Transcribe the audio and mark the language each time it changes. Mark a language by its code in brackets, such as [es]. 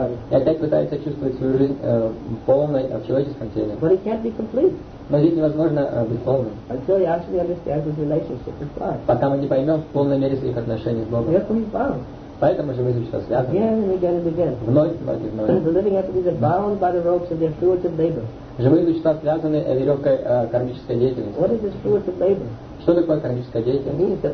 [ru] И опять пытается чувствовать свою жизнь полной в человеческом теле. [en] But it can't be complete. [ru] Но здесь невозможно быть полным. [en] Until he actually understands his relationship with God. [ru] Пока мы не поймем в полной мере своих отношений с Богом. Поэтому же мы здесь сейчас связаны. [en] Again and again and again. [ru] Вновь, вновь и вновь. [en] The living entities are bound by the ropes of their. [ru] Живые существа связаны веревкой кармической деятельности. Что такое кармическая деятельность?